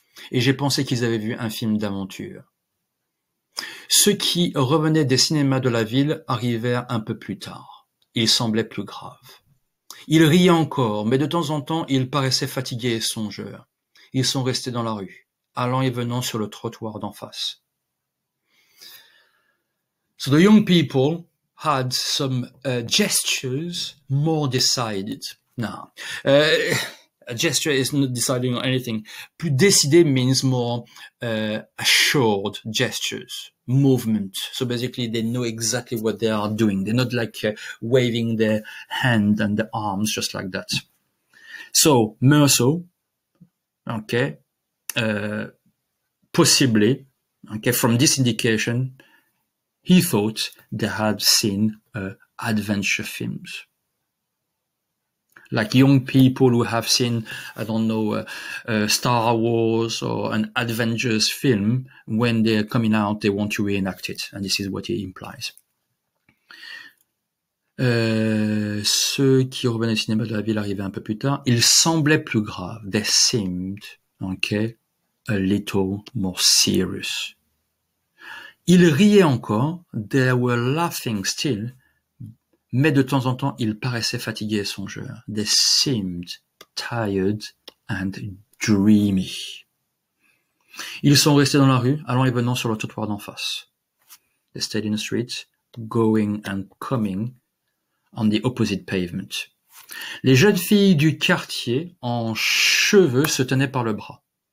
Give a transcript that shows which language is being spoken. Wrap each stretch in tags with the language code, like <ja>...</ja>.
<fr>Et j'ai pensé qu'ils avaient vu un film d'aventure. Ceux qui revenaient des cinémas de la ville arrivèrent un peu plus tard. Ils semblaient plus graves. Ils riaient encore, mais de temps en temps, ils paraissaient fatigués et songeurs. Ils sont restés dans la rue, allant et venant sur le trottoir d'en face.</fr> <en>So the young people had some gestures more decided. Now, a gesture is not deciding on anything. Plus décidé means more assured gestures, movement. So basically, they know exactly what they are doing. They're not like waving their hand and their arms just like that. So, Meursault, okay, possibly, okay, from this indication, he thought they had seen adventure films. Like young people who have seen, I don't know, Star Wars or an Avengers film, when they're coming out, they want to reenact it. And this is what it implies.</en> <fr>Ceux qui revenaient au cinéma de la ville arrivaient un peu plus tard. Ils semblaient plus graves.</fr> <en>They seemed, okay, a little more serious.</en> <fr>Ils riaient encore.</fr> <en>They were laughing still.</en> <fr>Mais de temps en temps, ils paraissaient fatigués et songeurs.</fr> <en>They seemed tired and dreamy.</en> <fr>Ils sont restés dans la rue, allant et venant sur le trottoir d'en face.</fr> <en>They stayed in the street, going and coming on the opposite pavement.</en> <fr>Les jeunes filles du quartier, en cheveux, se tenaient par le bras.</fr>